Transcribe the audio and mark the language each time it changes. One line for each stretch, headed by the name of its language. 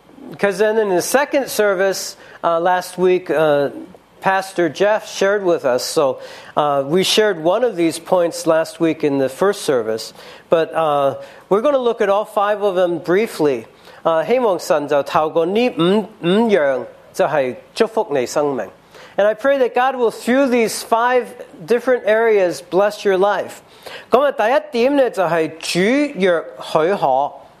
English: Because then in the second service, last week,Pastor Jeff shared with us, so we shared one of these points last week in the first service, but we're going to look at all five of them briefly.
Chinese: 希望神就透过这五样就是祝福你生命。
English: And I pray that God will, through these five different areas, bless your life.
Chinese: 今天第一点呢就是主若许可。